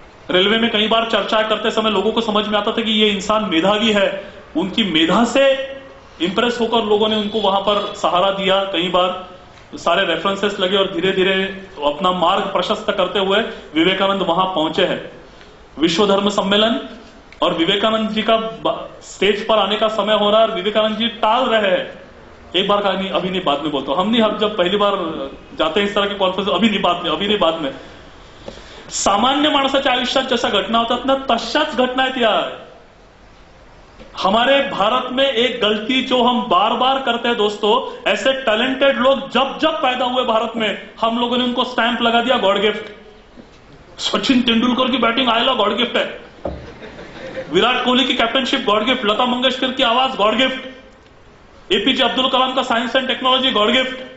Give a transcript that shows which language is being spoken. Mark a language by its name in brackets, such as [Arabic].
[Hindi] Railway में कई बार चर्चा करते समय लोगों को समझ में आता था कि ये इंसान मेधावी है, उनकी मेधा से इंप्रेस होकर लोगों ने उनको वहां पर सहारा दिया, कई बार सारे रेफरेंसेस लगे और धीरे धीरे अपना मार्ग प्रशस्त करते हुए विवेकानंद वहां पहुंचे हैं। विश्व धर्म सम्मेलन और विवेकानंद जी का स्टेज पर आने का समय हो रहा है, विवेकानंद जी टाल रहे हैं, एक बार कहा नहीं अभी नहीं बाद में बोलता हम नहीं, हम जब पहली बार जाते हैं इस तरह की कॉन्फ्रेंस, अभी नहीं बाद में। [Marathi] सामान्य माणसाच्या आयुष्यात जशा घटना होतात ना तशाच घटना आहेत यार। [Hindi] हमारे भारत में एक गलती जो हम बार बार करते हैं दोस्तों, ऐसे टैलेंटेड लोग जब जब पैदा हुए भारत में हम लोगों ने उनको स्टैंप लगा दिया गॉड गिफ्ट। सचिन तेंदुलकर की batting I love God gift है, विराट कोहली की captainship God gift, Lata Mangeshkar की आवाज God gift, APJ Abdul Kalam का science and technology God gift.